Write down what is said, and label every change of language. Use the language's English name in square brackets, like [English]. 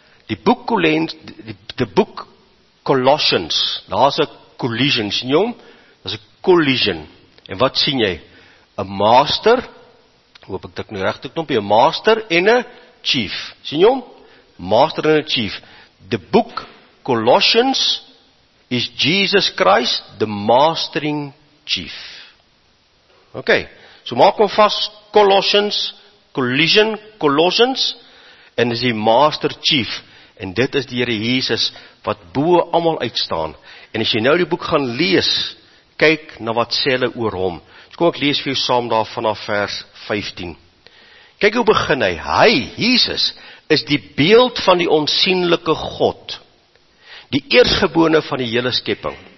[Afrikaans] Die boek Colossians, daar's 'n collision, sien jy hom? Daar's 'n collision. En wat sien jy? 'n master, hoop ek dit nou regte knoppie, 'n master en 'n chief. Sien jy hom? Master en 'n chief. [English] The book Colossians is Jesus Christ, the mastering chief. [Afrikaans] OK, so maak hom vas, Colossians, collision, Colossians, en is die master chief, en dit is die Here Jesus, wat bo allemaal uitstaan, en as jy nou die boek gaan lees, kyk na wat sê hulle oor hom, so kom ek lees vir jou saam daar vanaf vers 15, kyk hoe begin hy, Jesus, is die beeld van die onsienlike God, die eerstgebore van die hele skepping,